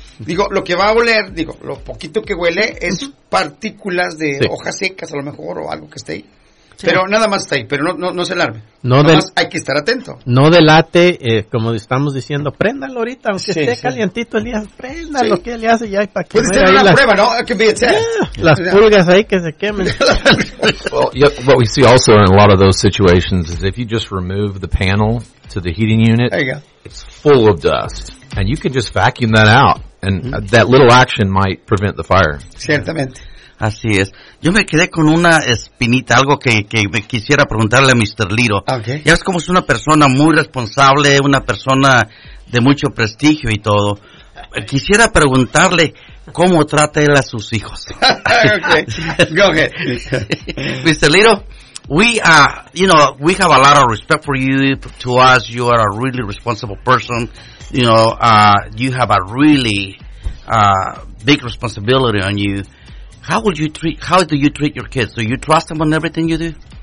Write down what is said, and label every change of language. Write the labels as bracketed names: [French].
[Spanish] Digo, lo que va a oler, digo, lo poquito que huele es partículas de sí. hojas secas a lo mejor o algo que esté ahí. Sí. Pero nada más está ahí, pero no se alarme. Hay que estar atento. No delate, como estamos diciendo, préndalo ahorita, aunque esté calientito el día, préndalo, sí. que le hace ya para que... Puede tener una prueba, ¿no? [English] It could be a test. [Spanish] Las pulgas ahí que se quemen. [English] What we see also in a lot of those situations is if you just remove the panel to the heating unit, it's full of dust. And you can just vacuum that out. And that little action might prevent the fire. [Spanish] Ciertamente. Así es. Yo me quedé con una espinita, algo que me quisiera preguntarle a Mr. Liro. Okay. Ya ves como es una persona muy responsable, una persona de mucho prestigio y todo. Quisiera preguntarle cómo trata él a sus hijos. [English] Okay. Go ahead. Mr. Liro, we have a lot of respect for you. To us, you are a really responsible person. You know, you have a really big responsibility on you. How do you treat your kids? Do you trust them on everything you do?